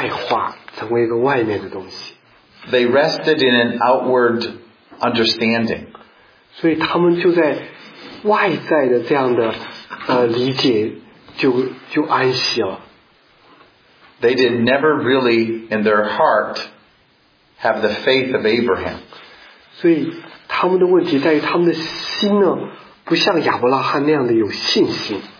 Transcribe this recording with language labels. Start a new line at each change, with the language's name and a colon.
Chinese: 那么在旧约中的以色列人有一个很大的问题，就是把宗教呢外化，成为一个外面的东西。
English: They rested in an outward understanding.
Chinese: 所以他们就在外在的这样的理解就安息了。
English: They did never really, in their heart, have the faith of Abraham.
Chinese: 所以他们的问题在于他们的心呢，不像亚伯拉罕那样的有信心。